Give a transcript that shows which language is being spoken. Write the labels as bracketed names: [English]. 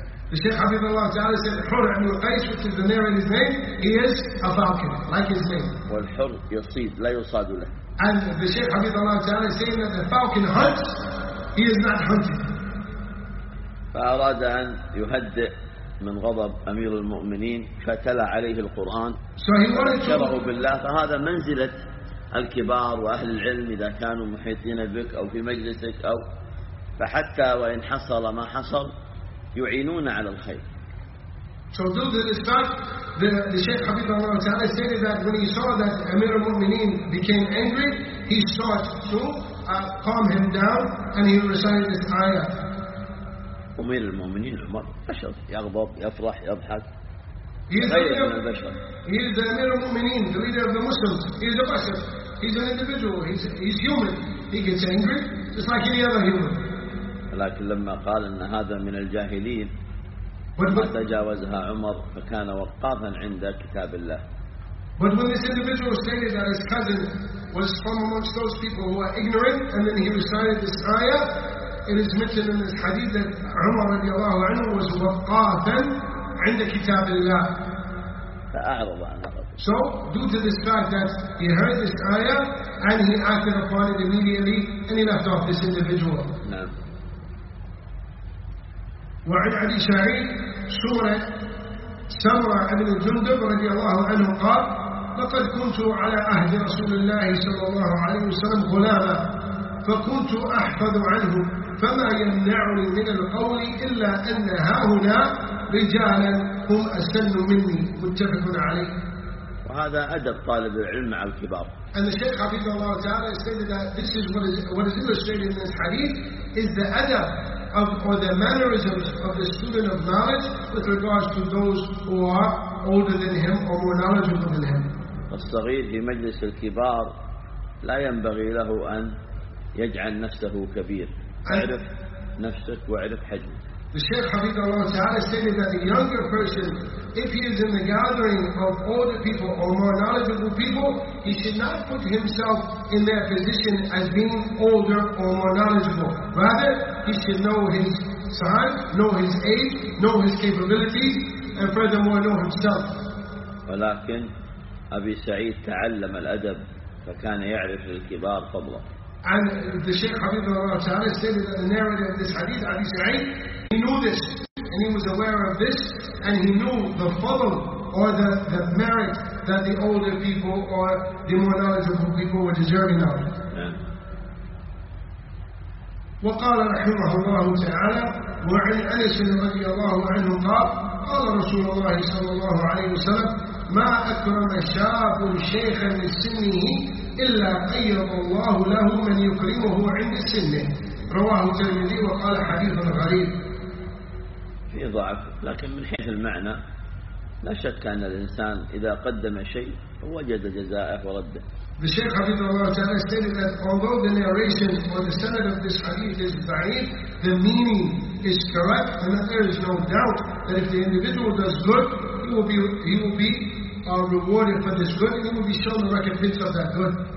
[English] The Shaykh Hafidhullah Ta'ala said حر بن قيس, which is the name of his name, he is a falcon, like his name. [Arabic] والحر يصيد لا يصاد له. [English] And the Shaykh Hafidhullah Ta'ala saying that the falcon hunts, he is not hunted. [Arabic] فأراد أن يهدئ من غضب أمير المؤمنين فتلى عليه القرآن فبشره بالله. فهذا منزلة الكبار وأهل العلم إذا كانوا محيطين بك أو في مجلسك أو فحتى وإن حصل ما حصل يعينون على الخير. [English] So due to this fact, the Shaykh Hafidhullah Ta'ala stated that when he saw that Amir al-Mu'mineen became angry, he sought to calm him down and he recited this ayah. [Arabic] أمير المؤمنين عمر بشر يغضب يفرح يضحك. [English] He is the Amir al-Mu'mineen, the leader of the Muslims. He is a bashar. He is an individual. He's human. He gets angry just like any other human. [Arabic] لكن لما قال أن هذا من الجاهلين تجاوزها عمر فكان وقافا عند كتاب الله. [English] But when this individual stated that his cousin was from amongst those people who are ignorant, and then he recited this ayah, it is mentioned in this hadith that Umar [Arabic] رضي الله عنه [English] was [Arabic] وقافا عند كتاب الله. فأعرض عن الرب. [English] So due to this fact that he heard this ayah and he acted upon it immediately and he left off this individual. [Arabic] نعم. وعن علي شعيب سورة سمرة بن جندب رضي الله عنه قال لقد كنت على عهد رسول الله صلى الله عليه وسلم غلاما فكنت أحفظ عنه فما يمنعني من القول إلا أن هؤلاء رجالا هم أسن مني. متفق عليه. وهذا أدب طالب العلم على الكبار. [English] And the Shaykh Hafidhullah Ta'ala stated that this is what is illustrated in this hadith is the adab or the mannerisms of the student of knowledge with regards to those who are older than him or more knowledgeable than him. [Arabic] الصغير في مجلس الكبار لا ينبغي له أن يجعل نفسه كبير. اعرف نفسك واعرف حجمك. [English] The Shaykh Hafidhullah Ta'ala stated that a younger person, if he is in the gathering of older people or more knowledgeable people, he should not put himself in their position as being older or more knowledgeable. Rather, he should know his size, know his age, know his capabilities, and furthermore, know himself. [Arabic] ولكن أبي سعيد تعلم الأدب فكان يعرف الكبار قبله. [English] And the Shaykh Hafidhullah Ta'ala stated that the narrator of this hadith, Abi Sa'id, he knew this, and he was aware of this, and he knew the fadl or the merit that the older people or the more knowledgeable people were deserving of. [Arabic] وقال رحمه الله تعالى وعن أنس رضي الله عنه قال قال رسول الله صلى الله عليه وسلم ما أكرم شاب شيخا من سنه إلا قيض الله له من يكرمه عند سنه. رواه الترمذي وقال حديث غريب في ضعف. لكن من حيث المعنى لا شك أن الإنسان إذا قدم شيء وجد جزائه ورده. [English] The Sheikh Habib Allah Ta'ala stated that although the narration or the sanad of this hadith is da'if, the meaning is correct, and that there is no doubt that if the individual does good, he will be rewarded for this good, and he will be shown the recompense of that good.